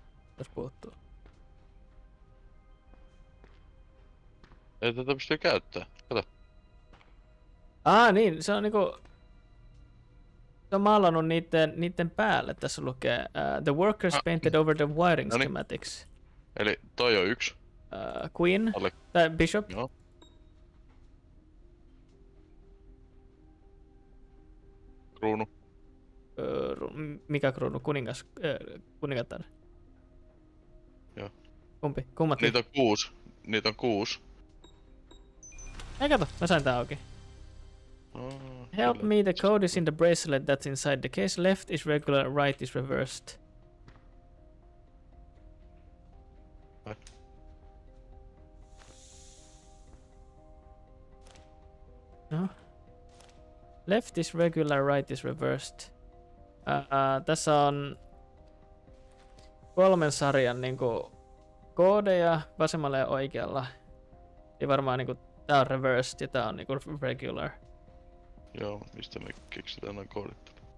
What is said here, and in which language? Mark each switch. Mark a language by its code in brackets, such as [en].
[fi] Mitäs puhuttuu? Ei tätä pysty käyttää, kato. Aa, ah, niin, se on niinku... Se on maalannut niitten päälle, tässä lukee. [en] The workers painted over the wiring noni. Schematics. [fi] Eli toi on yksi. [en] Queen, [fi] alle. Tai Bishop. Joo. Kruunu. Mikä kruunu? Kuningas? Kuningatar? Joo. Kumpi? Kummat? Niitä on kuusi. Niitä on kuusi. Ei kato, mä sain tää auki. [en] Help me, the code is in the bracelet that's inside the case. Left is regular, right is reversed. No. Left is regular, right is reversed. [fi] Tässä on kolmen sarjan niinku koodeja vasemmalla ja oikealla. Eli varmaan niinku tää on reversed ja tää on niinku regular. Joo, mistä me keksitään noin koodit?